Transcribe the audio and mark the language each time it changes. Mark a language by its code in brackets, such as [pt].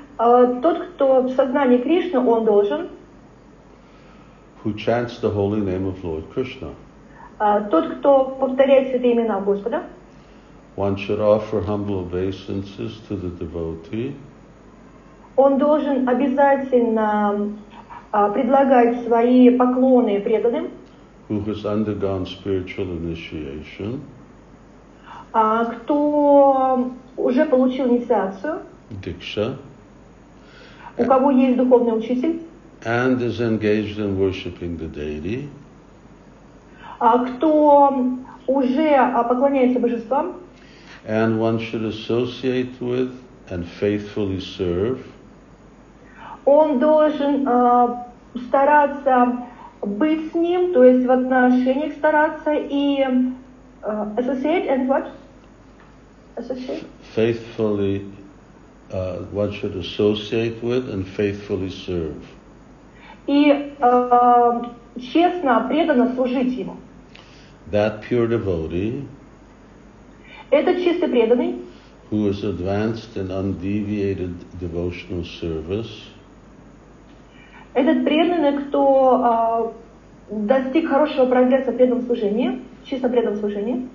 [ru] Тот, кто в сознании Кришны, он должен... [en] Who chants the holy name of Lord Krishna. [ru] Тот, кто повторяет святые имена Господа. [en] One should offer humble obeisances to the devotee. [ru] Он должен обязательно предлагать свои поклоны преданным. [en] Who has undergone spiritual initiation. [ru] Кто уже получил инициацию. Дикша. У кого есть духовный учитель? [en] And is engaged in worshiping the deity. [ru] Кто уже поклоняется божествам? [en] And one should associate with and faithfully serve. [ru] Он должен стараться быть с ним, то есть в отношениях стараться и [en] associate and what? Associate? Faithfully, one should associate with and faithfully serve. [ru] И честно, преданно служить ему. [en] That pure devotee. [ru] Этот чистый преданный. [en] Who is advanced in undeviated devotional service. [ru] Этот преданный, кто достиг хорошего прогресса в преданном служении, чисто преданном служении.